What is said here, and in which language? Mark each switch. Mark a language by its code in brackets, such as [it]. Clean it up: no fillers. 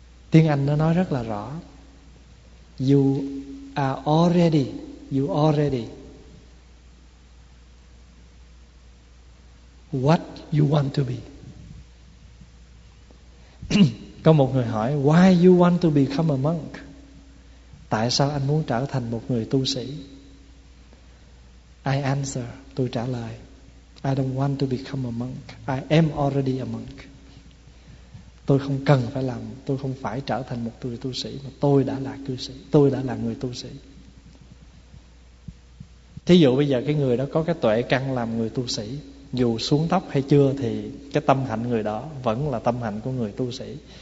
[vi] Tiếng Anh nó nói rất là rõ. [en] You are already. You already. What you want to be. [vi] Có một người hỏi, [en] why you want to become a monk? [vi] tại sao anh muốn trở thành một người tu sĩ? [en] I answer, [vi] tôi trả lời, [en] I don't want to become a monk. I am already a monk. [vi] Tôi không cần phải làm, tôi không phải trở thành một người tu sĩ, mà tôi đã là cư sĩ, tôi đã là người tu sĩ. Thí dụ bây giờ cái người đó có cái tuệ căn làm người tu sĩ, dù xuống tóc hay chưa thì cái tâm hạnh người đó vẫn là tâm hạnh của người tu sĩ.